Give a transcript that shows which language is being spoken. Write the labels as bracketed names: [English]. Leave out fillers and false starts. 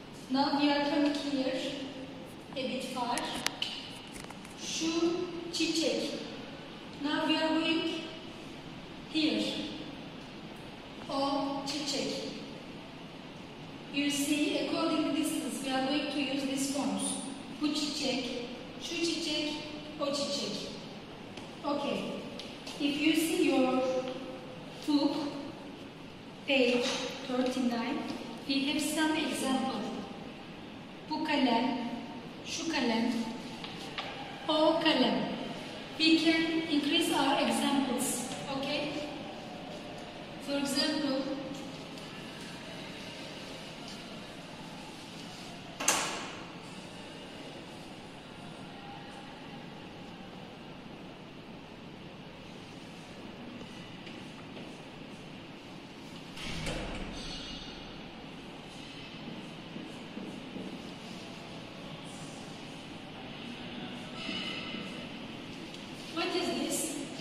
[English] Now we are coming here, a bit far. Şu, çiçek. Now we are going here. O çiçek. You see, according to distance, we are going to use these forms. [Turkish] Bu çiçek, şu çiçek, o çiçek. [English] Okay. If you see your book, page 39, we have some examples. [Turkish] Bu kalem, şu kalem, o kalem. [English] We can increase our examples. Okay? For example, what is this?